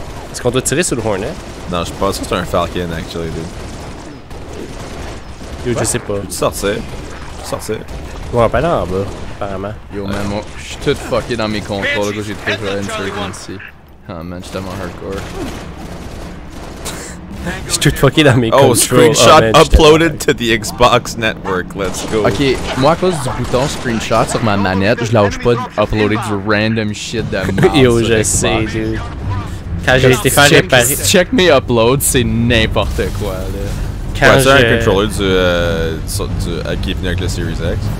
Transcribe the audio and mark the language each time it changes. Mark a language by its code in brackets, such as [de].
[fr] Est-ce qu'on doit tirer sur le Hornet? Non, je pense que c'est un Falcon, actually, dude. Yo, ouais. Je sais pas. Tu sortais. Ouais, pas là en bas, apparemment. Yo, man, moi, je suis tout fucké dans mes contrôles, j'ai trouvé une Contingency. Oh man, j'étais tellement hardcore. Je suis tout fucké dans mes [en] controls. Oh, screenshot uploaded to the Xbox network, let's go. [fr] Ok, moi à cause du bouton screenshot sur ma manette, je lâche pas d'uploader du random shit de merde. Yo, je sais, dude. Quand j'ai été faire réparer. Check mes uploads, c'est n'importe quoi, là. Quand j'ai un controller du. Qui est venu avec le Series X?